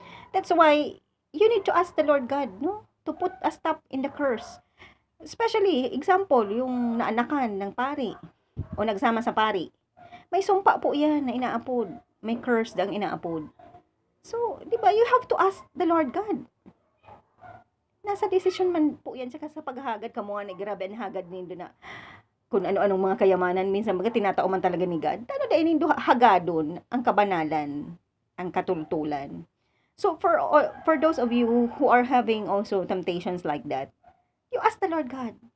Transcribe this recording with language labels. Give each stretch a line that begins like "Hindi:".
English: That's why you need to ask the Lord God, no, to put a stop in the curse.
Filipino: Especially, example, yung naanakan ng pari o nagsama sa pari. May sumpa po yan na inaapod. May curse ang inaapod.
English: So, di ba, you have to ask the Lord God.
Bikol: Nasa decision man po yan, tsaka sa paghagad, kamuha na grabe ang hagad nindo na kung ano-anong mga kayamanan, minsan mga tinatauman talaga ni God. Tano dahil nindo hagadon ang kabanalan, ang katultulan.
English: So for those of you who are having also temptations like that, you ask the Lord God.